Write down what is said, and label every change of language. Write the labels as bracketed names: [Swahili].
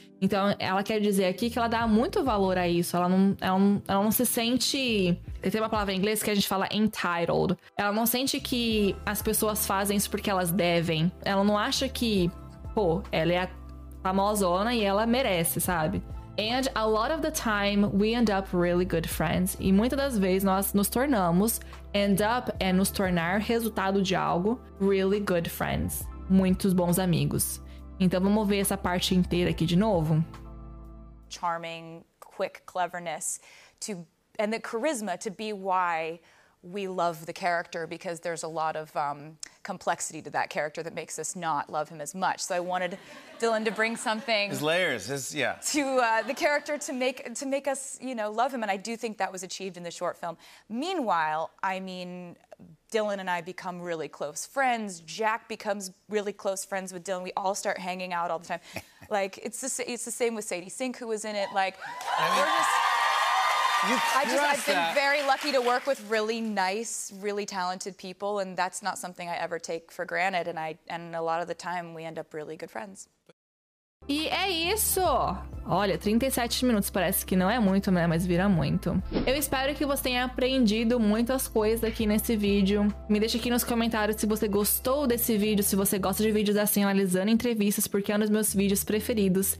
[Portuguese] Então, ela quer dizer aqui que ela dá muito valor a isso. Ela não se sente... Tem uma palavra em inglês que a gente fala entitled. Ela não sente que as pessoas fazem isso porque elas devem. Ela não acha que, pô, ela é a famosona e ela merece, sabe? [English] And a lot of the time, we end up really good friends. [Portuguese] E muitas das vezes nós nos tornamos, end up é nos tornar resultado de algo, [English] really good friends. [Portuguese] Muitos bons amigos. Então vamos ver essa parte inteira aqui de novo. [English] Charming, quick cleverness, to, and the charisma to be why we love the character, because there's a lot of complexity to that character that makes us not love him as much. So I wanted Dylan to bring something. His layers, his, yeah. To the character to make us, you know, love him. And I do think that was achieved in the short film. Meanwhile, I mean, Dylan and I become really close friends. Jack becomes really close friends with Dylan. We all start hanging out all the time. Like, it's the same with Sadie Sink, who was in it. Like, we're just... I've been very lucky to work with really nice, really talented people, and that's not something I ever take for granted, and a lot of the time we end up really good friends. [Portuguese] E é isso! Olha, 37 minutos, parece que não é muito, né? Mas vira muito. Eu espero que você tenha aprendido muitas coisas aqui nesse vídeo. Me deixa aqui nos comentários se você gostou desse vídeo, se você gosta de vídeos assim, analisando entrevistas, porque é um dos meus vídeos preferidos.